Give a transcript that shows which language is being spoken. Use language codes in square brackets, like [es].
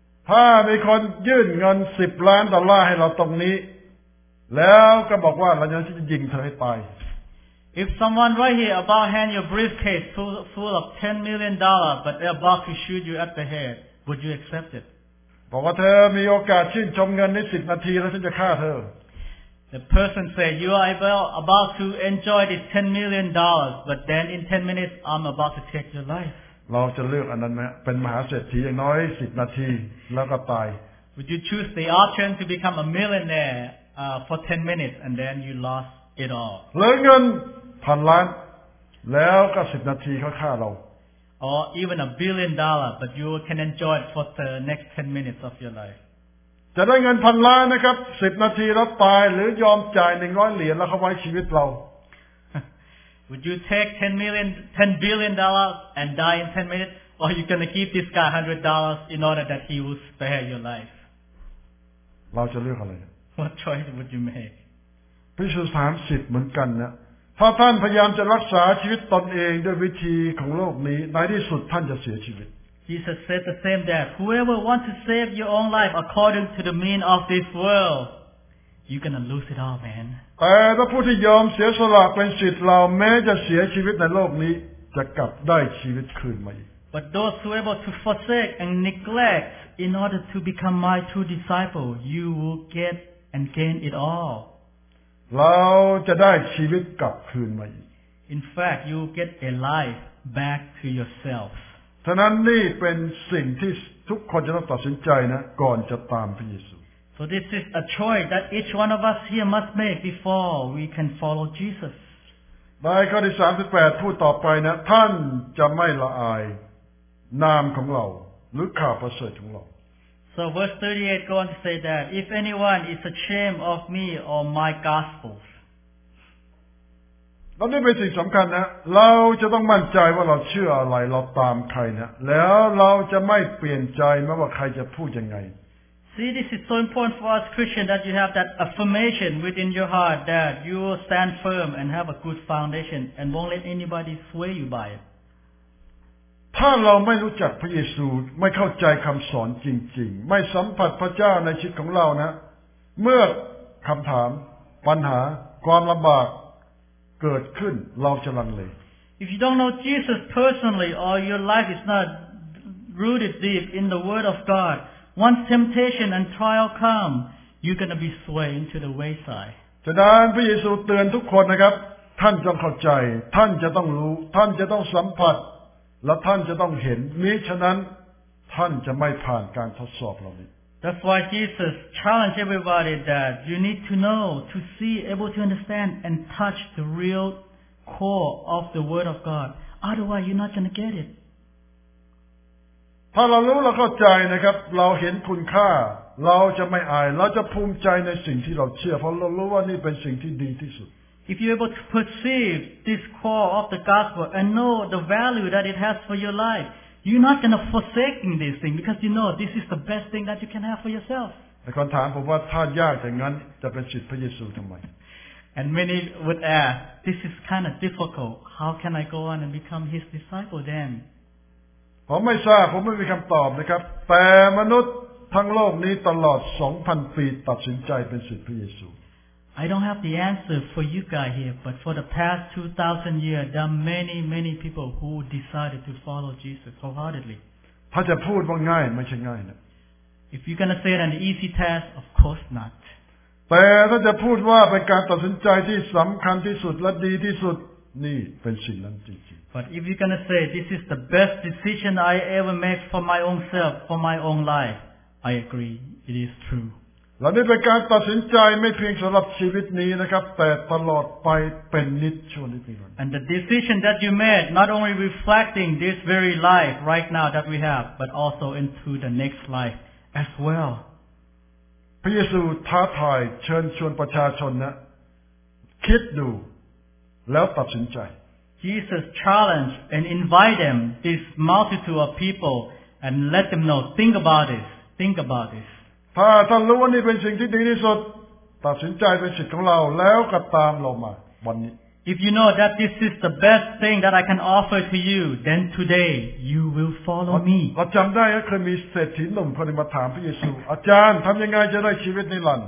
[th] ถ้ามีคนยื่นเงิน10ล้านดอลลาร์ให้เราตรงนี้แล้วก็บอกว่าเราจะยิงเธอให้ตาย [en] If someone right here about hand your briefcase full of $10 million but they're about to shoot you at the head would you accept it [th] บอกว่าเธอมีโอกาสชื่นชมเงินใน10นาทีแล้วฉันจะฆ่าเธอ [en] The person said you are about to enjoy this $10 million but then in 10 minutes I'm about to take your life [th] เราจะเลือกอันนั้นมั้ยเป็นมหาเศรษฐีอย่างน้อย10นาทีแล้วก็ตาย [en] Would you choose the option to become a millionairefor 10 minutes and then you lost it all. [th] เหลือเงิน 1,000 ล้านแล้วก็10นาทีเขาฆ่าเรา [en] Or even $1 billion but you can enjoy it for the next 10 minutes of your life. [th] จะได้เงิน 1,000 ล้านนะครับ10นาทีแล้วตายหรือยอมจ่าย100เหรียญแล้วเขาไว้ชีวิตเรา [en] Would you take $10 billion and die in 10 minutes or you going to keep this guy $100 in order that he will spare your life? [th] เราจะเลือกอะไร [en] What choice would you make? [th] พระเยซูถามศิษย์เหมือนกันนะถ้าท่านพยายามจะรักษาชีวิตตนเองด้วยวิธีของโลกนี้ในที่สุดท่านจะเสียชีวิต [en] Jesus said the same that whoever wants to save your own life according to the mean of this world you're gonna lose it all man [th] แต่ถ้าผู้ที่ยอมเสียสละเป็นศิษย์เราแม้จะเสียชีวิตในโลกนี้จะกลับได้ชีวิตคืนมาอีก [en] But those who are able to forsake and neglect in order to become my true disciple you will getAnd gain it all. [th] เราจะได้ชีวิตกลับคืนมา [en] In fact, you get a life back to yourself. [th] ฉะนั้นนี่เป็นสิ่งที่ทุกคนจะต้องตัดสินใจนะก่อนจะตามพระเยซู [en] So this is a choice that each one of us here must make before we can follow Jesus. [th] ในข้อที่38พูดต่อไปนะท่านจะไม่ละอายนามของเราหรือข่าวประเสริฐของเรา [en] So verse 38 goes on to say that if anyone is ashamed of me or my gospels, [th] แล้วนี่เป็นสิ่งสำคัญนะเราจะต้องมั่นใจว่าเราเชื่ออะไรเราตามใครนะแล้วเราจะไม่เปลี่ยนใจไม่ว่าใครจะพูดยังไง [en] See, this is so important for us Christians that you have that affirmation within your heart that you will stand firm and have a good foundation and won't let anybody sway you by it. [th] ถ้าเราไม่รู้จักพระเยซูไม่เข้าใจคำสอนจริงๆไม่สัมผัสพระเจ้าในชีวิตของเรานะเมื่อคำถามปัญหาความลำบากเกิดขึ้นเราจะลังเล [en] If you don't know Jesus personally or your life is not rooted deep in the Word of God, once temptation and trial come, you're going to be swayed into the wayside. [th] ฉะนั้นพระเยซูเตือนทุกคนนะครับท่านจงเข้าใจท่านจะต้องรู้ท่านจะต้องสัมผัสและท่านจะต้องเห็นมิฉะนั้นท่านจะไม่ผ่านการทดสอบเหล่านี้ [en] That's why Jesus challenged everybody that you need to know, to see, able to understand, and touch the real core of the Word of God. Otherwise, you're not going to get it. [th] ถ้าเรารู้เราเข้าใจนะครับเราเห็นคุณค่าเราจะไม่อายเราจะภูมิใจในสิ่งที่เราเชื่อเพราะเรารู้ว่านี่เป็นสิ่งที่ดีที่สุด [en] If you're able to perceive this core of the gospel and know the value that it has for your life. You're not going to forsake this thing because you know this is the best thing that you can have for yourself. And many would ask, this is kind of difficult. How can I go on and become his disciple then? [th] ผมไม่ทราบผมไม่มีคำตอบนะครับแต่มนุษย์ทั้งโลกนี้ตลอด 2,000 ปีตัดสินใจเป็นศิษย์พระเยซู [en] I don't have the answer for you guys here, but for the past 2,000 years, there are many, many people who decided to follow Jesus wholeheartedly. [th] ถ้าจะพูดว่าง่ายไม่ใช่ง่ายนะ [en] If you're going to say it an easy task, of course not. [th] แต่ถ้าจะพูดว่าเป็นการตัดสินใจที่สำคัญที่สุดและดีที่สุดนี่เป็นสิ่งนั้นจริง [en] ๆ But if you're going to say, this is the best decision I ever make for my own self, for my own life, I agree, it is true. [th] เราได้เป็นการตัดสินใจไม่เพียงสำหรับชีวิตนี้นะครับแต่ตลอดไปเป็นนิจชั่วนิรันดร์ [en] And the decision that you made not only reflecting this very life right now that we have but also into the next life as well [th] พระเยซูท้าทายเชิญชวนประชาชนนะคิดดูแล้วตัดสินใจ [en] Jesus challenged and invite them this multitude of people and let them know think about this [th] ถ้าท่านรู้ว่านี่เป็นสิ่งที่ดีที่สุดตัดสินใจเป็นสิทธิ์ของเราแล้วก็ตามเรามาวันนี้ [en] If you know that this is the best thing that I can offer to you then today you will follow me [th] เราจำได้เคยมีเศรษฐีหนุ่มคนมาถามพระเยซูอาจารย์ทำยังไงจะได้ชีวิตนิรันดร